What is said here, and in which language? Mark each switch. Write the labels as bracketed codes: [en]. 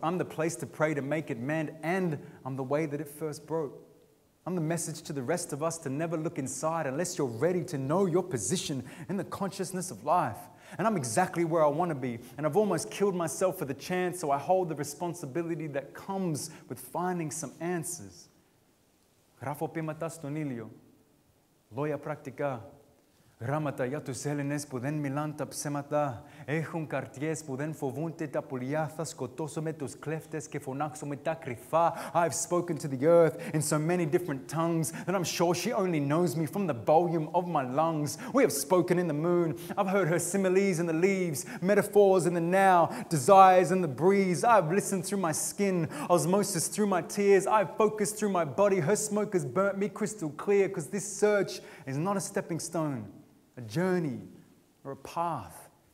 [en] I'm the place to pray to make it mend, and I'm the way that it first broke. I'm the message to the rest of us to never look inside unless you're ready to know your position in the consciousness of life. And I'm exactly where I want to be, and I've almost killed myself for the chance, so I hold the responsibility that comes with finding some answers. [el] Γράφω πείματα στον ήλιο, λόγια πρακτικά, γράμματα για τους Έλληνες που δεν μιλάν τα ψέματα, έχουν καρδιές που δεν φοβούνται τα πουλιά, θα σκοτώσω με τους κλέφτες και φωνάξω με τα κρυφά. [en] I've spoken to the earth in so many different tongues that I'm sure she only knows me from the volume of my lungs. We have spoken in the moon, I've heard her similes in the leaves, metaphors in the now, desires in the breeze. I've listened through my skin, osmosis through my tears, I've focused through my body, her smoke has burnt me crystal clear, because this search is not a stepping stone, a journey, or a path.